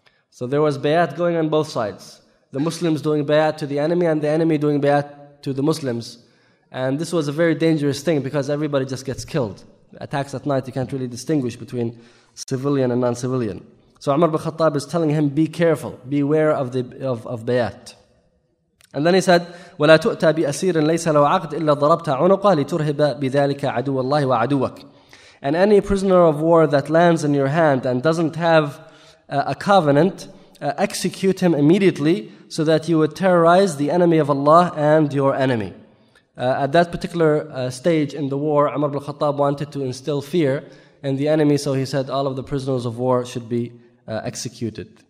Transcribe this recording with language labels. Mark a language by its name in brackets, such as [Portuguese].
[English] So there was bayat going on both sides. The Muslims doing bayat to the enemy and the enemy doing bayat to the Muslims. And this was a very dangerous thing because everybody just gets killed. attacks at night, you can't really distinguish between civilian and non-civilian. So Umar bin Khattab is telling him, be careful, beware of the of bayat. And then he said, [Arabic] وَلَا تُؤْتَى بِأَسِيرٍ لَيْسَ لَوْ عَقْدٍ إِلَّا ضَرَبْتَ عُنُقَ لِتُرْهِبَ بِذَلِكَ عَدُوَ اللَّهِ وَعَدُوَكَ. [English] And any prisoner of war that lands in your hand and doesn't have a covenant, execute him immediately so that you would terrorize the enemy of Allah and your enemy. At that particular stage in the war, Umar bin Khattab wanted to instill fear in the enemy, so he said all of the prisoners of war should be executed.